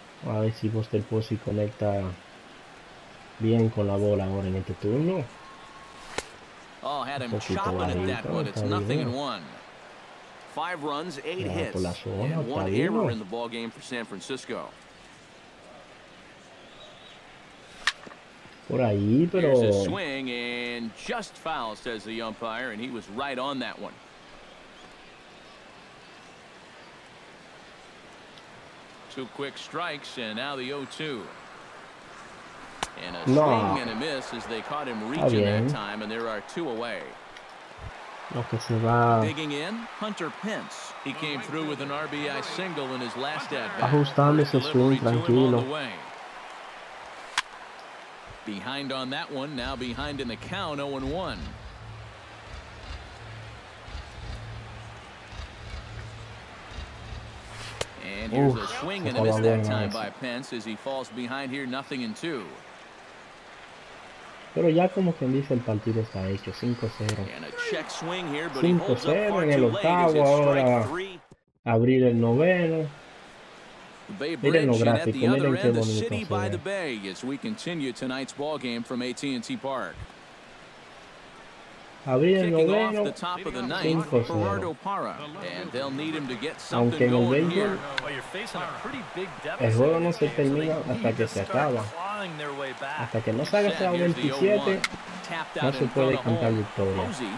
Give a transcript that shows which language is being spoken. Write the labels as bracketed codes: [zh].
[es] A ver si Buster Posey conecta bien con la bola ahora en este turno. [en] Oh, had him chopping at that one. It's nothing and one. Five runs, eight hits, and one error in the ball game for San Francisco. [es] Por ahí, pero. [en] Here's a swing and just foul, says the umpire, and he was right on that one. Two quick strikes, and now the 0-2. And a swing and a miss as they caught him reaching that time, and there are two away. Digging in, Hunter Pence. He came through with an RBI single in his last at-bat. [es] Ajustando ese swing, tranquilo. [en] Behind on that one, now behind in the count, 0-1. And here's a swing and a miss that time by Pence as he falls behind here, nothing in two. [es] Pero ya como quien dice, el partido está hecho, 5-0. [en] And a check swing here, but he holds up far too late as it's strike three. [es] Abrir el noveno. [en] The Bay Bridge and at the other end, the city by the bay as we continue tonight's ballgame from AT&T Park. Kicking off the top of the ninth, Gerardo Parra, and they'll need him to get something going here. Well, you're facing a pretty big deficit, [es] no se termina hasta que se acaba. Hasta que no salga hasta 27, no se puede cantar victoria.